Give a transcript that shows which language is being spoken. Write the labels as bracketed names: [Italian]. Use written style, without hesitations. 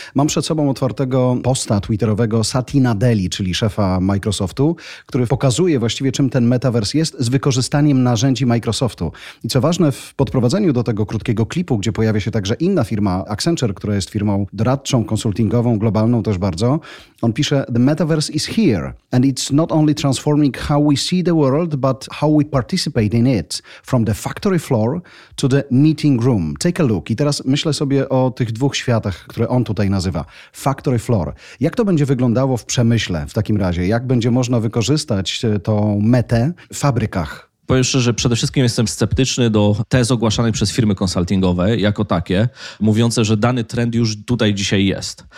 [Polish] Mam przed sobą otwartego posta twitterowego Satya Nadella, czyli szefa Microsoftu, który pokazuje właściwie, czym ten metavers jest z wykorzystaniem narzędzi Microsoftu. I co ważne, w podprowadzeniu do tego krótkiego klipu, gdzie pojawia się także inna firma, Accenture, która jest firmą doradczą, konsultingową, globalną też bardzo. On pisze, [English] the metaverse is here and it's not only transforming how we see the world, but how we participate in it, from the factory floor to the meeting room. Take a look. [Polish] I teraz myślę sobie o tych dwóch światach, które on tutaj nazywa. [English] Factory floor. [Polish] Jak to będzie wyglądało w przemyśle w takim razie? Jak będzie można wykorzystać tą metę w fabrykach? Powiem szczerze, że przede wszystkim jestem sceptyczny do tez ogłaszanych przez firmy konsultingowe jako takie, mówiące, że dany trend już tutaj dzisiaj jest.